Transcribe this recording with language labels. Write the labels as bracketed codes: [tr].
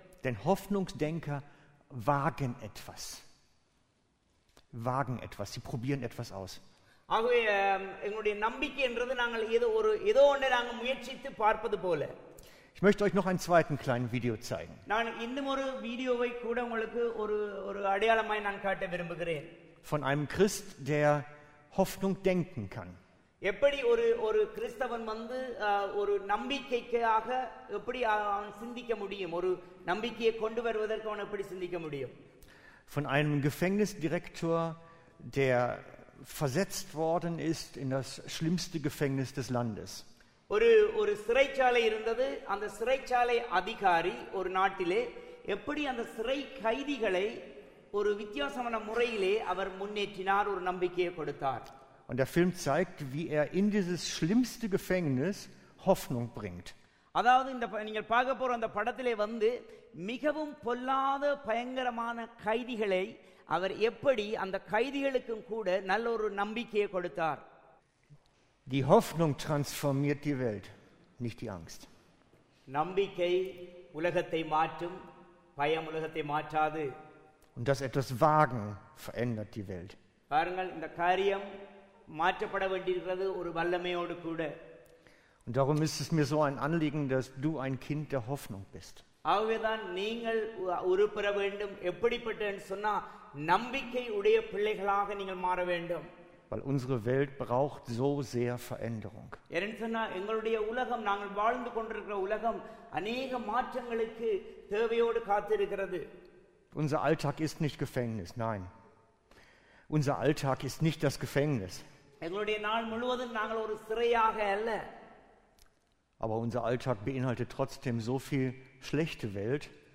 [de] Denn Hoffnungsdenker wagen etwas. Wagen etwas, sie probieren etwas aus. [ta] ஆகவே எங்களுடைய நம்பிக்கைன்றது நாங்கள் ஏதோ ஒன்றை நாங்கள் முயற்சித்து பார்ப்பது போல. [de] Ich möchte euch noch einen zweiten kleinen Video zeigen. [ta] நான் இன்னும் ஒரு வீடியோவை கூட உங்களுக்கு ஒரு அடையாளமாய் நான் காட்ட விரும்புகிறேன். [de] Von einem Christ, der Hoffnung denken kann. [ta] எப்படி ஒரு கிறிஸ்தவன் வந்து ஒரு நம்பிக்கைக்காக எப்படி அவன் சிந்திக்க முடியும், ஒரு நம்பிக்கையை கொண்டு வருவதற்கு அவன் எப்படி சிந்திக்க முடியும். [de] Von einem Gefängnisdirektor, der versetzt worden ist in das schlimmste Gefängnis des Landes. [ta] ஒரு சிறைச்சாலை இருந்தது, அந்த சிறைச்சாலை அதிகாரி ஒரு நாட்டிலே எப்படி அந்த சிறை கைதிகளை ஒரு வித்தியாசமான முறையிலே அவர் முன்னேற்றினார், ஒரு நம்பிக்கையை கொடுத்தார். [de] Und der Film zeigt, wie in dieses schlimmste Gefängnis Hoffnung bringt. [ta] அதாவது இந்த நீங்கள் பார்க்க போற அந்த படத்திலே வந்து மிகவும் பொல்லாத பயங்கரமான கைதிகளை அவர் எப்படி அந்த கைதிகளுக்கும் கூட நல்ல ஒரு நம்பிக்கையை கொடுத்தார். [de] Die Hoffnung transformiert die Welt, nicht die Angst. [ta] நம்பிக்கை உலகத்தை மாற்றும், பயம் உலகத்தை மாற்றாது. [de] Und das etwas wagen verändert die Welt. [ta] பாருங்கள் இந்த காரியம் மாற்றப்பட வேண்டியிருக்கிறது ஒரு வல்லமையோடு கூட. [de] Und darum ist es mir so ein Anliegen, dass du ein Kind der Hoffnung bist. [ta] ஆகவேதான் நீங்கள் உருப்பெற வேண்டும். எப்படிப்பட்டன்னு சொன்னா நம்பிக்கை உடைய பிள்ளைகளாக நீங்கள் மாற வேண்டும். [de] Weil unsere Welt braucht so sehr Veränderung. [ta] எங்களுடைய உலகம், நாங்கள் வாழ்ந்து கொண்டிருக்கிற உலகம் அநேக மாற்றங்களுக்கு தேவையோடு காத்திருக்கிறது. [de] Unser Alltag ist nicht Gefängnis, nein. Unser Alltag ist nicht das Gefängnis. Aber unser Alltag beinhaltet trotzdem so viel schlechte Welt.